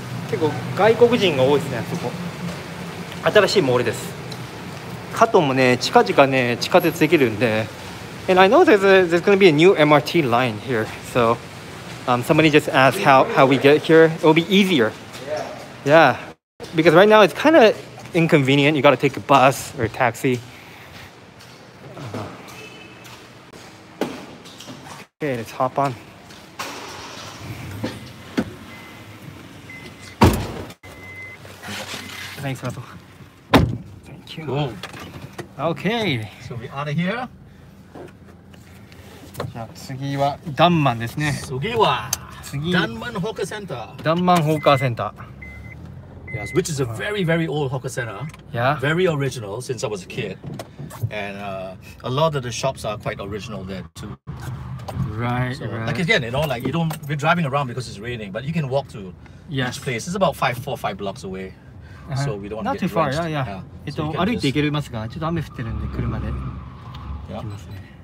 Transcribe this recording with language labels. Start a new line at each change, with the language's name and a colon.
Japanese: 結構外国人が多いですね、そこ。新しいモールです。カトンもね、近々ね、地下鉄できるんで。
English: And I know there's going to be a new MRT line here. So somebody just asked how we get here. It will be easier. Yeah. Because right now it's kind of inconvenient. You got to take a bus or a taxi. Okay, let's hop on. Thanks, Russell. Thank you. Cool. Okay. So we're out of here.
Japanese: じゃあ次はダンマンですね。次はダンマンホーカーセンター。ダンマンホーカーセンター。
English: Yes, which is a very, very old hawker center. Yeah. Very original since I was a kid. And a lot of the shops are quite original there too. Right. Like again, you know, like you don't, we're driving around because it's raining, but you can walk to each place. It's about four or five blocks away. So we don't want to get drenched. Not too far, yeah.
Japanese: 歩いて行けますが、ちょっと雨降ってるんで車で行きますね。